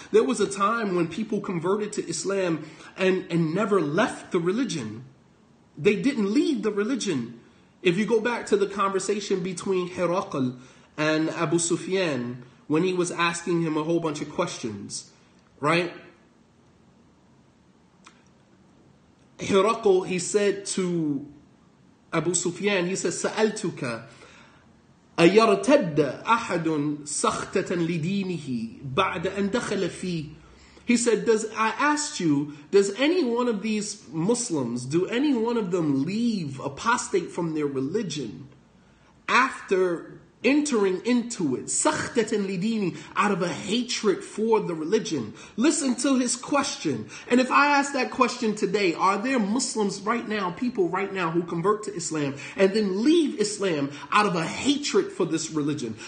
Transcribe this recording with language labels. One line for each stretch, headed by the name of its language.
English: There was a time when people converted to Islam and never left the religion. They didn't leave the religion. If you go back to the conversation between Hiraql and Abu Sufyan, when he was asking him a whole bunch of questions, right?
Arabic: Hiraql, he said to Abu Sufyan, he said, سَأَلْتُكَ أَيَرْتَدَّ أَحَدٌ سَخْتَةً لِدِينِهِ بَعْدَ أَنْ دَخَلَ فِيهِ.
English: He said, I asked you, does any one of these Muslims, do any one of them leave, apostate from their religion after entering into it, sakhtatan lidini, out of a hatred for the religion? Listen to his question. And if I ask that question today, are there Muslims right now, people right now who convert to Islam and then leave Islam out of a hatred for this religion?